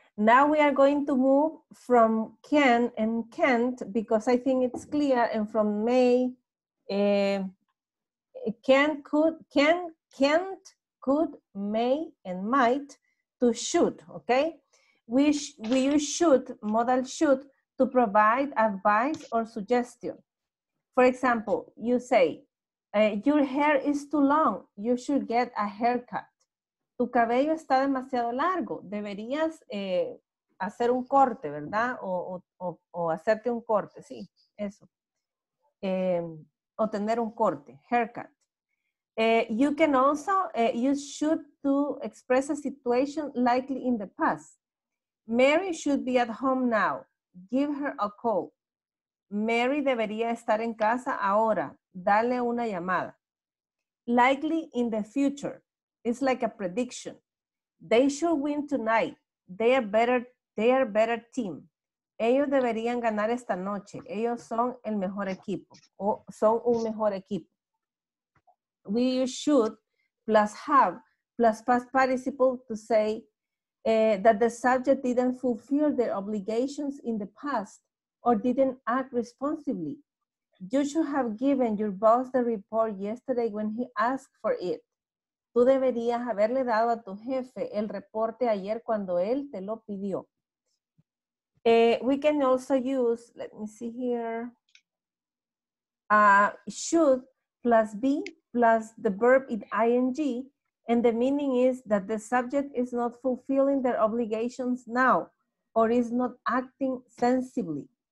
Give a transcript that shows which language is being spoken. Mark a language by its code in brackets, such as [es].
[en] Now we are going to move from can and can't, because I think it's clear, and from may, can't, could, may, and might, to should, okay? We use should, modal should, to provide advice or suggestion. For example, you say, your hair is too long, you should get a haircut. [es] Tu cabello está demasiado largo, deberías hacer un corte, ¿verdad? O hacerte un corte, sí, eso. O tener un corte, haircut. [en] You can also use should to express a situation likely in the past. Mary should be at home now. Give her a call. [es] Mary debería estar en casa ahora. Dale una llamada. [en] Likely in the future. It's like a prediction. They should win tonight. They are better team. [es] Ellos deberían ganar esta noche. Ellos son el mejor equipo. O son un mejor equipo. [en] We use should plus have plus past participle to say that the subject didn't fulfill their obligations in the past or didn't act responsibly. You should have given your boss the report yesterday when he asked for it. [es] Tú deberías haberle dado a tu jefe el reporte ayer cuando él te lo pidió. [en] We can also use, let me see here, should plus be plus the verb in ing, and the meaning is that the subject is not fulfilling their obligations now or is not acting sensibly.